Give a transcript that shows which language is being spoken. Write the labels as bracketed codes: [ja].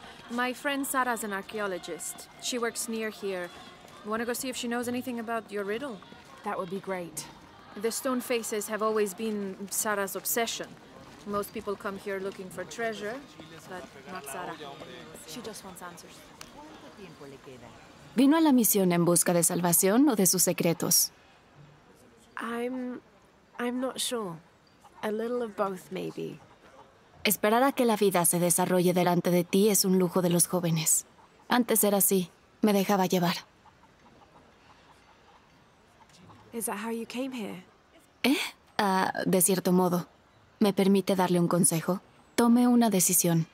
[en] My friend Sara's an archaeologist. She works near here. Want to go see if she knows anything about your riddle? That would be great. The stone faces have always been Sara's obsession. Most people come here looking for treasure, but not Sara. She just wants answers. [es] ¿Vino a la misión en busca de salvación o de sus secretos? [en] I'm not sure. A little of both, maybe. [es] Esperar a que la vida se desarrolle delante de ti es un lujo de los jóvenes. Antes era así. Me dejaba llevar. [en] Is that how you came here? [es] De cierto modo. ¿Me permite darle un consejo? Tome una decisión.